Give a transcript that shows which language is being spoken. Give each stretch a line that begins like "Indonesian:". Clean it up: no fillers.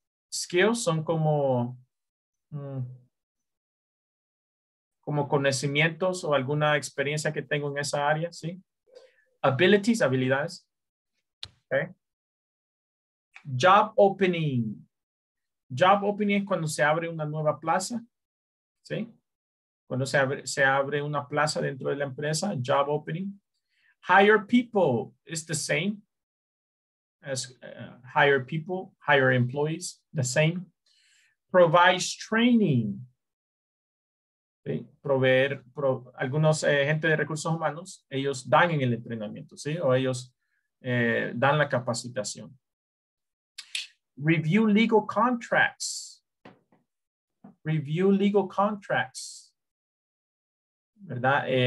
Spanish: Skills son como como conocimientos o alguna experiencia que tengo en esa área, ¿sí?
English: Abilities, habilidades. Okay. Job opening.
Spanish: Job opening es cuando se abre una nueva plaza, ¿sí? Cuando se abre una plaza dentro de la empresa, job opening.
English: Hire people is the same as hire people, hire employees, the same. Provides training.
Spanish: ¿Sí? Proveer, algunos gente de recursos humanos, ellos dan en el entrenamiento, ¿sí? O ellos dan la capacitación.
English: Review legal contracts. Review legal contracts.
Spanish: ¿Verdad?